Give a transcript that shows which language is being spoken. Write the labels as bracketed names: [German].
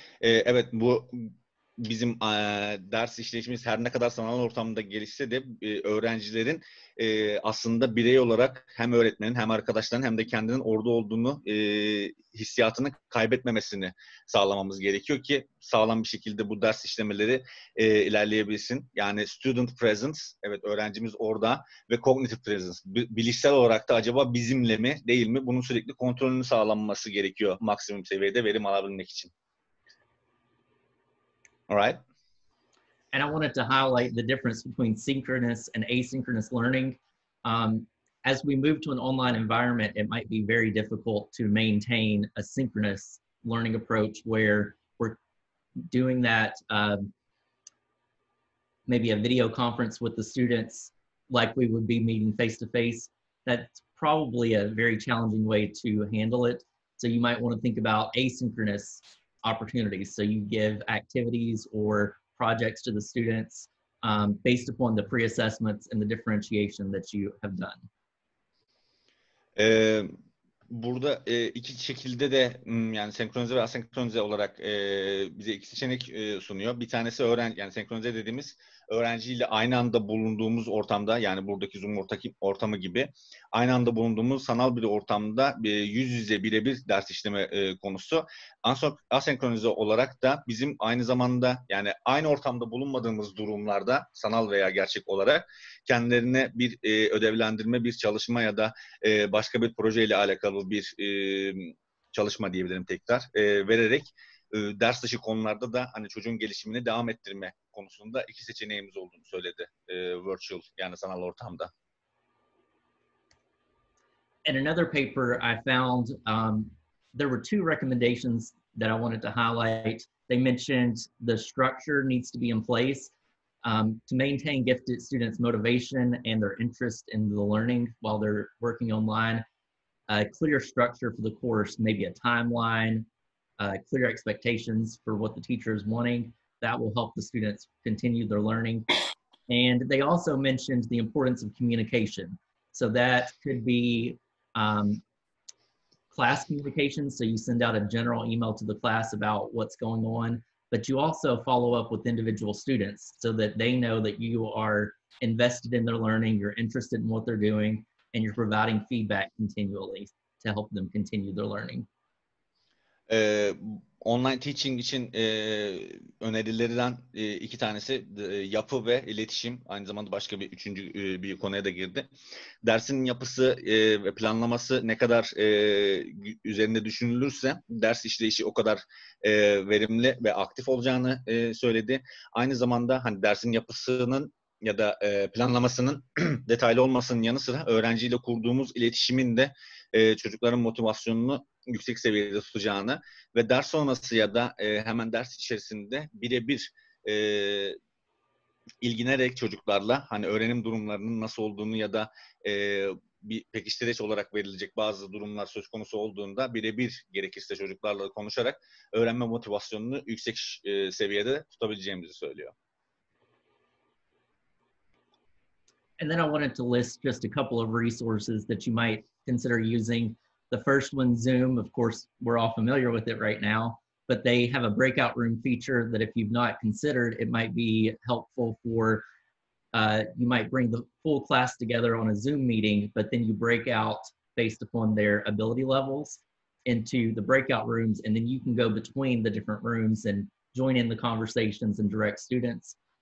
[Turkish] Evet, bu bizim ders işleyişimiz her ne kadar sanal ortamda gelişse de öğrencilerin aslında birey olarak hem öğretmenin hem arkadaşların hem de kendinin orada olduğunu hissiyatını kaybetmemesini sağlamamız gerekiyor ki sağlam bir şekilde bu ders işlemeleri ilerleyebilsin. Yani student presence, evet öğrencimiz orada ve cognitive presence, bilişsel olarak da acaba bizimle mi değil mi bunun sürekli kontrolünü sağlanması gerekiyor maksimum seviyede verim alabilmek için. [English] All right. And I wanted to highlight the difference between synchronous and asynchronous learning. As we move to an online environment, it might be very difficult to maintain a synchronous learning approach where we're doing that maybe a video conference with the students like we would be meeting face to face. That's probably a very challenging way to handle it. So you might want to think about asynchronous opportunities. So you give activities or projects to the students based upon the pre-assessments and the differentiation that you have done. [Turkish] Burada iki şekilde de yani senkronize ve asenkronize olarak bize iki seçenek sunuyor. Bir tanesi yani senkronize dediğimiz öğrenciyle aynı anda bulunduğumuz ortamda, yani buradaki Zoom ortamı gibi aynı anda bulunduğumuz sanal bir ortamda yüz yüze birebir ders işleme konusu. Asenkronize olarak da bizim aynı zamanda yani aynı ortamda bulunmadığımız durumlarda sanal veya gerçek olarak kendilerine bir ödevlendirme, bir çalışma ya da başka bir projeyle alakalı bir çalışma diyebilirim tekrar vererek ders dışı konularda da hani çocuğun gelişimini devam ettirme konusunda iki seçeneğimiz olduğunu söyledi. Virtual, yani sanal ortamda. [English] In another paper I found there were two recommendations that I wanted to highlight. They mentioned the structure needs to be in place to maintain gifted students' motivation and their interest in the learning while they're working online. A clear structure for the course, maybe a timeline, clear expectations for what the teacher is wanting, that will help the students continue their learning. And they also mentioned the importance of communication. So that could be class communication. So you send out a general email to the class about what's going on, but you also follow up with individual students so that they know that you are invested in their learning, you're interested in what they're doing, and you're providing feedback continually to help them continue their learning. Online teaching [Turkish] için önerilerden iki tanesi yapı ve iletişim. Aynı zamanda başka bir üçüncü bir konuya da girdi. Dersin yapısı ve planlaması ne kadar üzerinde düşünülürse ders işleyişi o kadar verimli ve aktif olacağını söyledi. Aynı zamanda hani dersin yapısının ya da planlamasının detaylı olmasının yanı sıra öğrenciyle kurduğumuz iletişimin de çocukların motivasyonunu yüksek seviyede tutacağını ve ders sonrası ya da hemen ders içerisinde birebir ilgilenerek çocuklarla hani öğrenim durumlarının nasıl olduğunu ya da bir pekiştireç olarak verilecek bazı durumlar söz konusu olduğunda birebir gerekirse çocuklarla konuşarak öğrenme motivasyonunu yüksek seviyede tutabileceğimizi söylüyor. [English] And then I wanted to list just a couple of resources that you might consider using. The first one, Zoom, of course, we're all familiar with it right now. but they have a breakout room feature that if you've not considered, it might be helpful for, you might bring the full class together on a Zoom meeting, but then you break out based upon their ability levels into the breakout rooms, and then you can go between the different rooms and join in the conversations and direct students.